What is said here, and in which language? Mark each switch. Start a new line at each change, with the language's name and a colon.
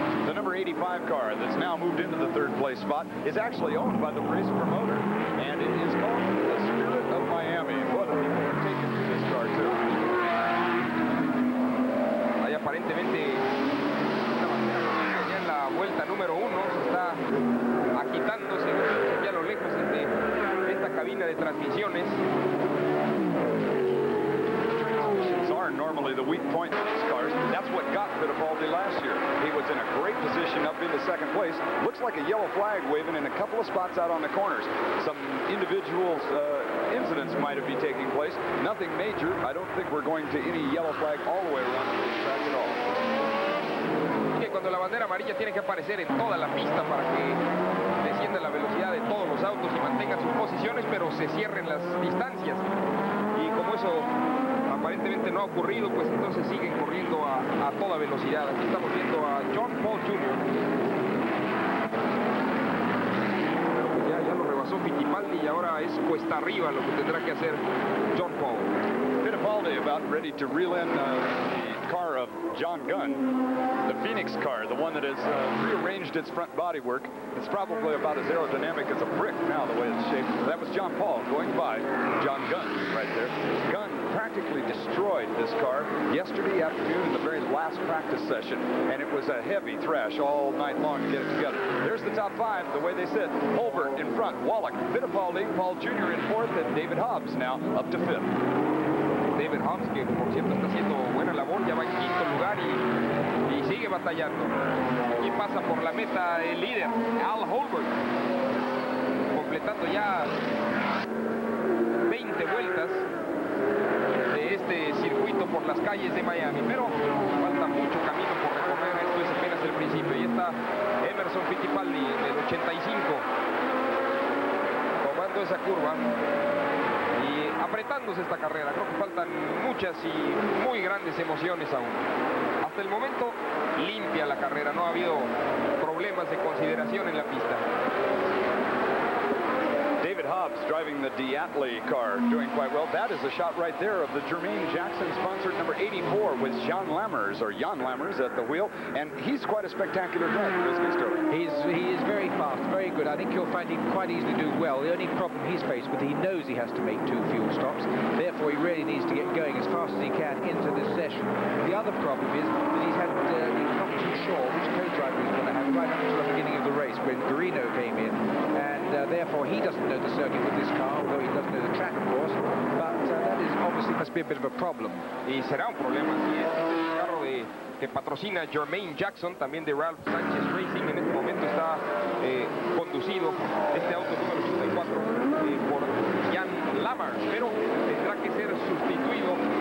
English: The number 85 car that's now moved into the third place spot is actually owned by the race promoter, and it is called the Spirit of Miami. What a people are taking to this car too.
Spanish: Hay aparentemente una bandera ya en la vuelta número uno, se está agitándose ya a lo lejos desde esta cabina de transmisiones.
English: Normally the weak point of these cars, that's what got Fittipaldi last year. He was in a great position up into second place. Looks like a yellow flag waving in a couple of spots out on the corners. Some individual incidents might have been taking place. Nothing major. I don't think we're going to any yellow flag all the way around the track at all.
Spanish: Cuando la bandera amarilla tiene que aparecer en toda la pista para que descienda la velocidad de todos los autos y mantengan sus posiciones, pero se cierren las distancias. Y como eso aparentemente no ha ocurrido, pues entonces siguen corriendo a toda velocidad. Aquí estamos viendo a John Paul Jr. Pero pues ya lo rebasó Fittipaldi y ahora es cuesta arriba lo que tendrá que hacer John Paul.
English: Fittipaldi about ready to reel in the car of John Gunn, the Phoenix car, the one that has rearranged its front bodywork. It's probably about as aerodynamic as a brick now, the way it's shaped. That was John Paul going by John Gunn right there. Gunn practically destroyed this car yesterday afternoon in the very last practice session, and it was a heavy thrash all night long to get it together. There's the top five, the way they sit. Holbert in front, Wallach, Fittipaldi, Paul Jr. in fourth, and David Hobbs now up to fifth.
Spanish: David Hobbs, que por cierto está haciendo buena labor, ya va en quinto lugar y sigue batallando. Y pasa por la meta el líder, Al Holbert, completando ya 20 vueltas de este circuito por las calles de Miami. Pero falta mucho camino por recorrer, esto es apenas el principio. Y está Emerson Fittipaldi en el 85, tomando esa curva y apretándose esta carrera. Creo que faltan muchas y muy grandes emociones aún. Hasta el momento, limpia la carrera. No ha habido problemas de consideración en la pista.
English: David Hobbs driving the Diatley car, doing quite well. That is a shot right there of the Jermaine Jackson sponsored number 84 with John Lammers, or Jan Lammers, at the wheel. And he's quite a spectacular driver, isn't he, Sterling? He is very fast, very good. I think he'll find he can quite easily do well. The only problem he's faced with, he knows he has to make two fuel stops. Therefore, he really needs to get going as fast as he can into this session. The other problem is that he's had not too sure which co-driver he's going to have right up to the beginning of the race when Guarino came in. Therefore, he doesn't know the circuit with this car, although he does know the track, of course. But that is obviously must be a bit of a problem.
Spanish: Y será un problema si es el carro que patrocina Jermaine Jackson, también de Ralph Sanchez Racing. En este momento está conducido este auto número 84 por Jan Lammers, pero tendrá que ser sustituido.